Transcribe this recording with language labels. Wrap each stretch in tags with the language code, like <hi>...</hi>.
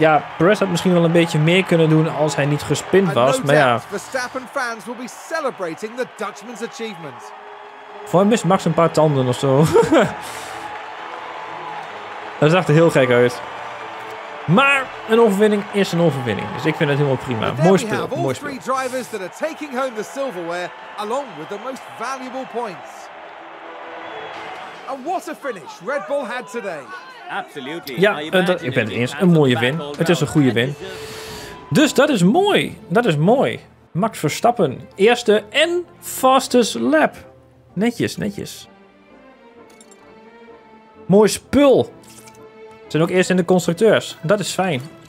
<nl>Ja, Perez had misschien wel een beetje meer kunnen doen als hij niet gespind was. Maar ja.</nl> <en>Verstappen fans will be celebrating the Dutchman's achievement.</en> <nl>Voor hem mist Max een paar tanden of zo. Dat zag er heel gek uit. Maar een overwinning is een overwinning. Dus ik vind het helemaal prima. Mooi spel. Mooi spel.</nl> <en>Drivers that are taking home the silverware along with the most valuable points. And what a finish Red Bull had today. Absolutely.</en> <nl>Ja, ik ben het eens. Een mooie win. Het is een goede win. Dus dat is mooi. Dat is mooi. Max Verstappen. Eerste en fastest lap. Netjes, netjes. Mooi spul. Ze zijn ook eerst in de constructeurs. Dat is fijn.</nl>